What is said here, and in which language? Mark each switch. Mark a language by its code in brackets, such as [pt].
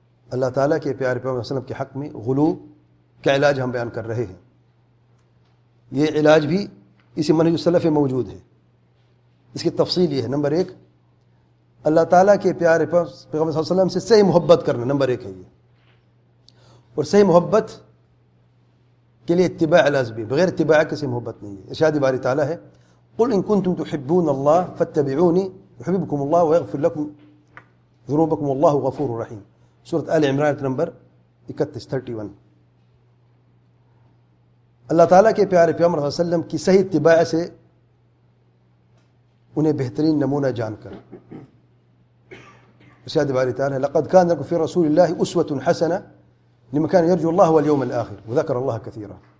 [ur] اللہ تعالیٰ کے پیارے پیغمبر صلی اللہ علیہ وسلم کے حق میں غلو کا علاج ہم بیان کر رہے ہیں, یہ علاج بھی اسی منہج السلف میں موجود ہے. اس کی تفصیل یہ ہے, نمبر ایک, اللہ تعالیٰ کے پیارے پیغمبر صلی اللہ علیہ وسلم سے صحیح محبت کرنا نمبر ایک ہے یہ, اور صحیح محبت کے لیے اتباع لازمی, بغیر اتباع کے صحیح محبت نہیں ہے. ارشاد باری تعالیٰ ہے, [ar] قل ان کنتم تحبون اللہ فاتبعونی يحببكم الله ويغفر لكم ذنوبكم والله غفور رحيم, سورة آل عمران نمبر 31. [ur] اللہ تعالیٰ کے پیارے پیغمبر صلی اللہ علیہ وسلم کی صحیح اتباع سے انہیں بہترین نمونہ جان کر, ارشاد باری تعالیٰ, [ar] لقد كان لكم في رسول الله اسوة حسنة لمن كان يرجو الله واليوم الآخر وذكر الله كثيرا.